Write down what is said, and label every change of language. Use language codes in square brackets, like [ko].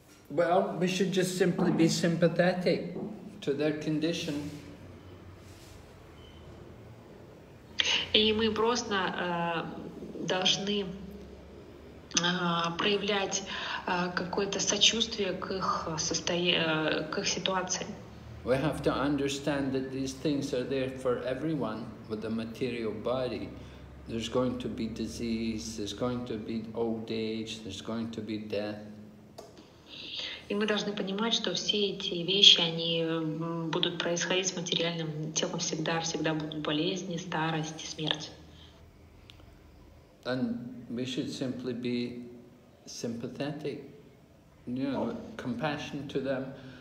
[en] Well, we should just simply be sympathetic to their condition. [ru] И мы просто должны проявлять какое-то сочувствие к их к их ситуации. [en] We have to understand that these things are there for everyone with a material body. There's going to be disease, there's going to be old age, there's going to be death. [ru] И мы должны понимать, что все эти вещи, они будут происходить с материальным телом всегда, всегда будут болезни, старость, смерть. [en] And we should simply be sympathetic, you know, compassion to them.